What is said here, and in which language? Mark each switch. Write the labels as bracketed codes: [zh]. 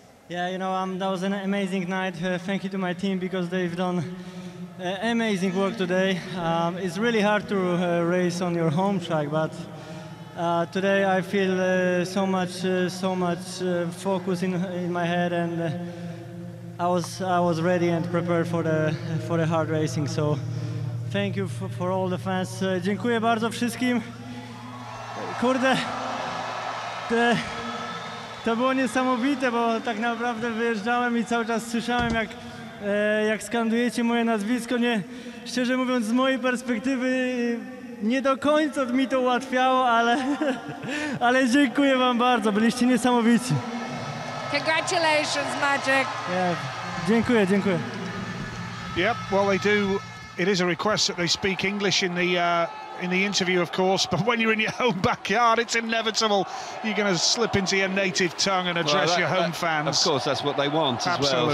[en] Yeah, you know, that was an amazing night. Thank you to my team because they've done amazing work today. It's really hard to race on your home track, but today I feel so much focus in my head, and I was ready and prepared for the hard racing. So thank you for all the fans. [pl] Dziękuję bardzo wszystkim. Kurde, to było niesamowite, bo tak naprawdę wyjeżdżałem i cały czas słyszałem, jak skandujecie moje nazwisko. Nie, szczerze mówiąc, z mojej perspektywy nie do końca mi to ułatwiało, ale dziękuję wam bardzo, byliście niesamowici. [en] Congratulations, Magic. Yeah. [pl] Dziękuję. [en] Yep, well they do, it is a request that they speak English in the interview, of course, but when you're in your home backyard, it's inevitable you're going to slip into your native tongue and address your home fans. Of course, that's what they want. Absolutely.